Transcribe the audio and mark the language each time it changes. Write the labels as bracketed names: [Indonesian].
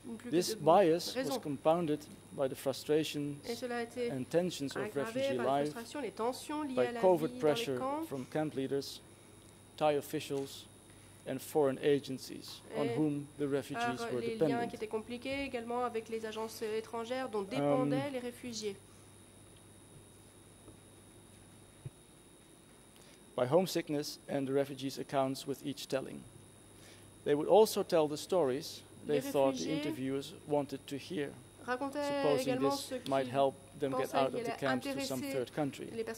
[English] This bias was compounded by the frustrations and tensions of refugee life, by COVID pressure from camp leaders, Thai officials, and foreign agencies on whom the refugees were dependent. [French] Qui étaient compliqués également avec les agences étrangères dont dépendaient les réfugiés. [English] By homesickness and the refugees' accounts with each telling. They would also tell the stories they thought the interviewers wanted to hear, supposing this might help them get out of the camps to some third country.